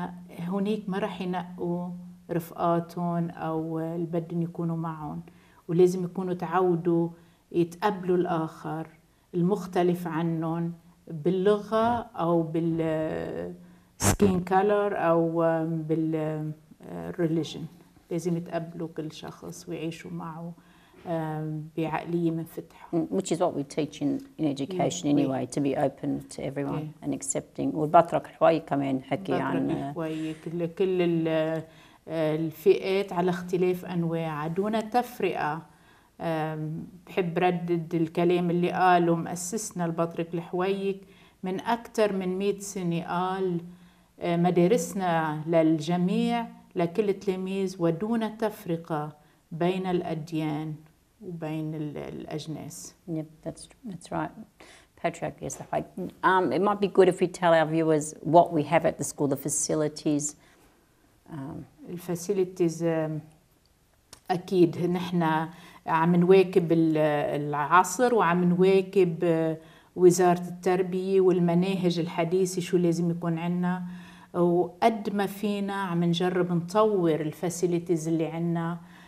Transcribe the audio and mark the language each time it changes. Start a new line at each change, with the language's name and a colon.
Arabic: هناك ما رح ينقوا رفقاتهم أو اللي بدهم يكونوا معهم، ولازم يكونوا تعودوا يتقبلوا الآخر المختلف عنهم باللغة أو بال
English: skin color
Arabic: أو بال
English: religion.
Arabic: لازم يتقبلوا كل شخص ويعيشوا معه بعقلية منفتحة.
English: Which is what we teach in education anyway, to be open to everyone and accepting.
Arabic: وبترك حواي كمان حكي عن كل الفئات على اختلاف أنواع دون تفرقة. بحب ردد الكلام اللي قاله مؤسسنا البطرك الحويك من أكثر من 100 سنة، قال مدارسنا للجميع لكل التلاميذ ودون تفرقة بين الأديان وبين الأجناس.
English: Yep, that's right. Patriarchy is the way. It might be good if we tell our viewers what we have at the school, the facilities.
Arabic: الفاسيليتيز أكيد نحنا عم نواكب العصر وعم نواكب وزارة التربية والمناهج الحديثة شو لازم يكون عنا، وقد ما فينا عم نجرب نطور الفاسيليتيز اللي عنا.